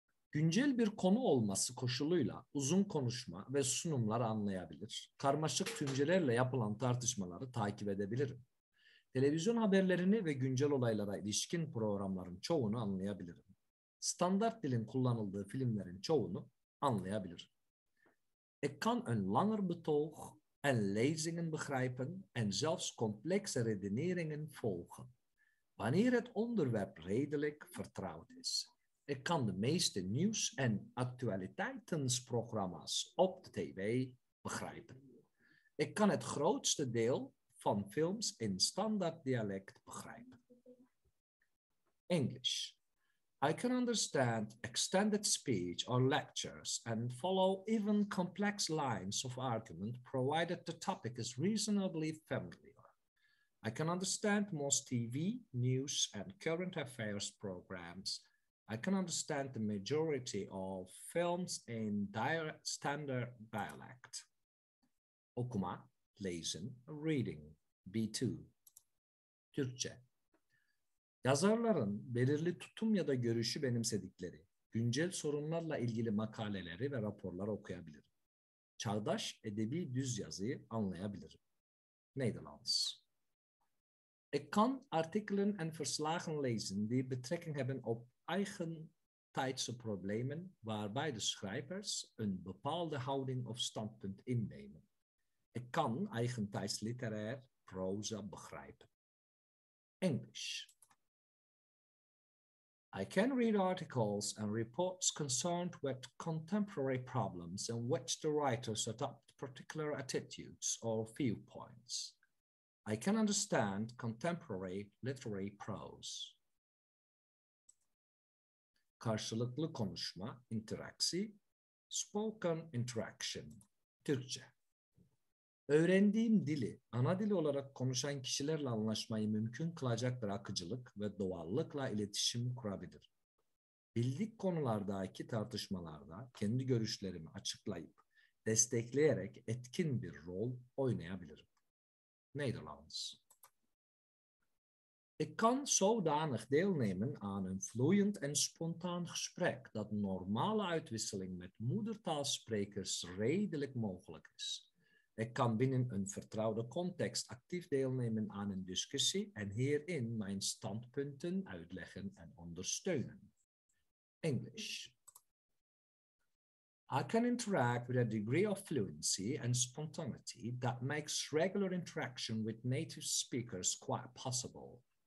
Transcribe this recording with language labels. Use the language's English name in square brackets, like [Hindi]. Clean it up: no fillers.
[Turkish] Güncel bir konu olması koşuluyla uzun konuşma ve sunumları anlayabilir. Karmaşık tümcelerle yapılan tartışmaları takip edebilirim. Televizyon haberlerini ve güncel olaylara ilişkin programların çoğunu anlayabilirim. Standart dilin kullanıldığı filmlerin çoğunu anlayabilir. [Dutch] Ik kan een langer betoog en lezingen begrijpen en zelfs complexe redeneringen volgen, wanneer het onderwerp redelijk vertrouwd is. Ik kan de meeste nieuws- en actualiteitsprogramma's op de tv begrijpen. Ik kan het grootste deel van films in standaard dialect begrijpen. Engels. [English] I can understand extended speech or lectures and follow even complex lines of argument provided the topic is reasonably familiar. I can understand most TV, news, and current affairs programs. I can understand the majority of films in standard dialect. [Turkish] Okuma, [Dutch] lezen, [English] reading, [Turkish] B2. Türkçe. Yazarların belirli tutum ya da görüşü benimsedikleri, güncel sorunlarla ilgili makaleleri ve raporları okuyabilirim. Çağdaş edebi düz yazıyı anlayabilirim. Nederlands. [Dutch] Ik kan artikelen en verslagen lezen die betrekking hebben op eigen tijdse problemen waarbij de schrijvers een bepaalde houding of standpunt innemen. Ik kan eigen tijds literair proza begrijpen. Engels. [English] I can read articles and reports concerned with contemporary problems in which the writers adopt particular attitudes or viewpoints. I can understand contemporary literary prose. [Turkish] Karşılıklı konuşma, interaksi, [English] spoken interaction, [Turkish] Türkçe. Öğrendiğim dili, ana dili olarak konuşan kişilerle anlaşmayı mümkün kılacak bir akıcılık ve doğallıkla iletişim kurabilir. Bildik konulardaki tartışmalarda kendi görüşlerimi açıklayıp, destekleyerek etkin bir rol oynayabilirim. [Dutch] Nederlands. Ik kan zodanig deelnemen aan een vloeiend en spontaan gesprek dat normale uitwisseling met moedertaalsprekers redelijk mogelijk is. Ik kan binnen een vertrouwde context actief deelnemen aan een discussie en hierin mijn standpunten uitleggen en ondersteunen. Engels. [English] I can interact with a degree of fluency and spontaneity that makes regular interaction with native speakers quite possible.